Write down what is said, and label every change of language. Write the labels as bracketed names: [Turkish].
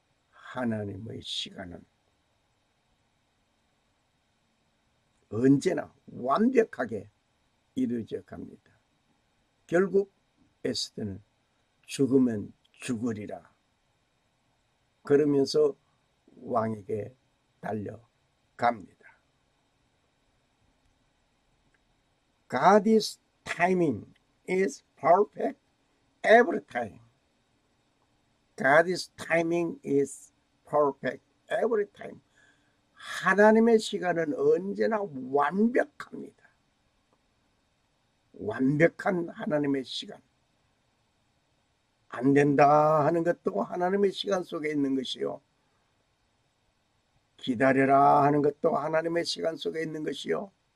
[Korean] 하나님의 시간은 언제나 완벽하게 이루어져 갑니다. 결국 에스더는 죽으면 죽으리라 그러면서 왕에게 달려갑니다. [English] God's timing is perfect every time. God's timing is perfect every time. [Korean] 하나님의 시간은 언제나 완벽합니다. 완벽한 하나님의 시간. 안 된다 하는 것도 하나님의 시간 속에 있는 것이요. 기다려라 하는 것도 하나님의 시간 속에 있는 것이요.